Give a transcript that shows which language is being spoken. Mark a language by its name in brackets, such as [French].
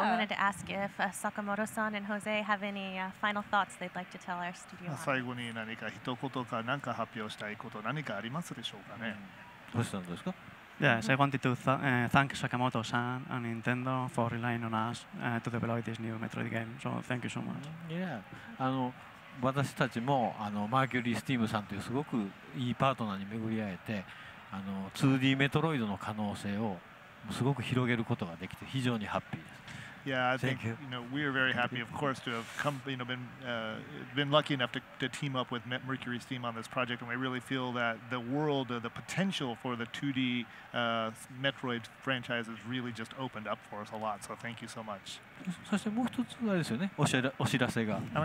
[English] I wanted to ask if Sakamoto-san and Jose have any final thoughts they'd like to tell our studio. [Japanese] 最後に何か一言か何か発表したいこと何かありますでしょうかね。どうしたんですか? [English] Yes, I wanted to thank Sakamoto-san and Nintendo for relying on us to develop this new Metroid game. So thank you so much. Yeah. [Japanese] 私たちもマーキュリースティームさんというすごくいいパートナーに巡り合えて、 2D メトロイドの可能性をすごく広げることができて非常にハッピーです。Yeah, [English] I think you know we are very happy, of course, to have come, you know, been lucky enough to team up with Mercury Steam on this project, and we really feel that the world, the potential for the 2D Metroid franchise has really just opened up for us a lot. So thank you so much. [Japanese] そしてもう一つがですよね、お知らせが。And